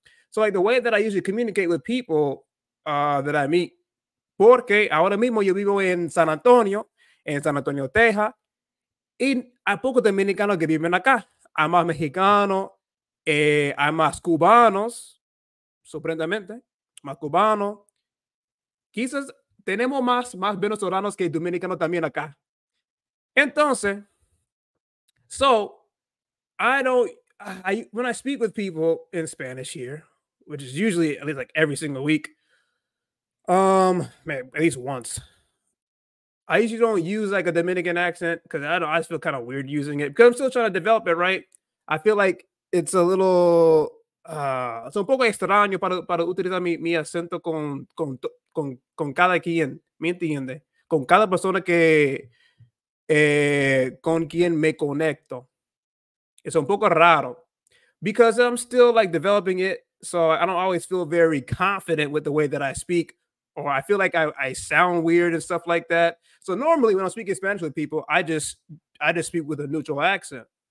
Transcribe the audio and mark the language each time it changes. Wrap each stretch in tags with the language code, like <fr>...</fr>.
<en>So like the way that I usually communicate with people that I meet,</en> <es>porque ahora mismo yo vivo en San Antonio, Texas, y hay pocos dominicanos que viven acá. Hay más mexicanos, hay más cubanos, sorprendentemente, más cubanos. Quizás tenemos más venezolanos que dominicanos también acá.</es> <en>Entonces, when I speak with people in Spanish here, which is usually at least like every single week, at least once, I usually don't use like a Dominican accent because I just feel kind of weird using it because I'm still trying to develop it, right? I feel like it's a little, it's</en> <es>un poco extraño para utilizar mi acento con cada quien, ¿me entiende? Con cada persona que, con quien me conecto.</es> <en>It's</en> <es>un poco raro</es> <en>because I'm still like developing it. So I don't always feel very confident with the way that I speak, or I feel like I sound weird and stuff like that. So normally when I'm speaking Spanish with people, I just speak with a neutral accent.</en>